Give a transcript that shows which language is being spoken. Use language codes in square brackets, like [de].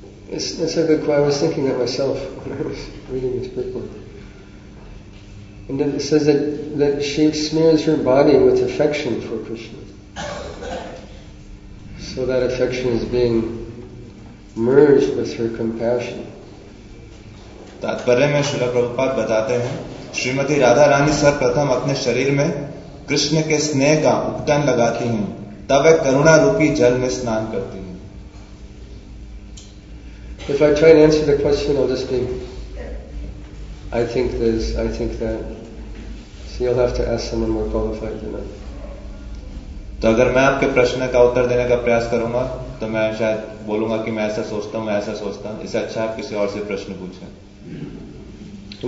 [en] That's a good question. I was thinking that myself when I was reading this purport. And then it says that she smears her body with affection for Krishna. So that affection is being merged with her compassion. [hi] तात्पर्य में श्रीला प्रभुपाद बताते हैं श्रीमती राधा रानी सर्वप्रथम अपने शरीर में कृष्ण के स्नेह का उपटन लगाती हैं तब वह करुणा रूपी जल में स्नान करती हैं [en] If I try and answer the question, I'll just be, I think this, I think that. So you'll have to ask someone more qualified than I. [hi] तो अगर मैं आपके प्रश्न का उत्तर देने का प्रयास करूंगा तो मैं शायद बोलूंगा कि मैं ऐसा सोचता हूं, इससे अच्छा आप किसी और से प्रश्न पूछें।